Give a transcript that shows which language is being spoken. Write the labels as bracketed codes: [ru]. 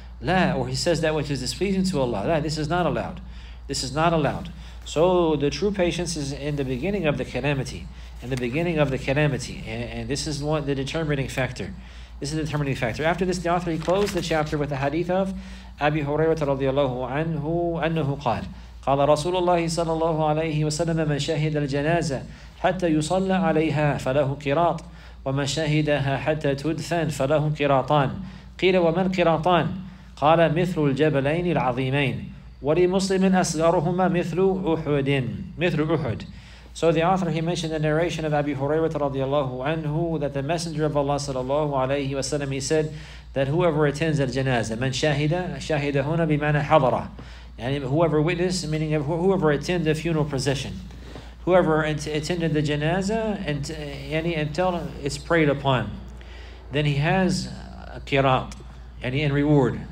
[en] La, or he says that which is displeasing to Allah. La, this is not allowed. This is not allowed. So the true patience is in the beginning of the calamity. In the beginning of the calamity. And this is one the determining factor. This is the determining factor. After this, the author, he closed the chapter with the hadith of Abi Hurairah radiallahu anhu, annahu qad. [ar] قال رسول الله صلى الله عليه وسلم من شهد الجنازة حتى يصلى عليها فله قراط ومن شهدها حتى تدفن فله قراطان قيل وما القراطان قال مثل الجبلين العظيمين ولمسلم أصغرهما مثل أحد مثل أحد. [en] So the author, he mentioned the narration of Abi Hurairah radiallahu anhu, that the Messenger of Allah sallallahu alayhi wa sallam, he said that whoever attends al-janazah, [ar] man shahida, shahidahuna bimana hadara, [en] and whoever witnessed, meaning whoever attended the funeral procession, whoever attended the janazah until it's prayed upon, then he has a qiraat, and in reward.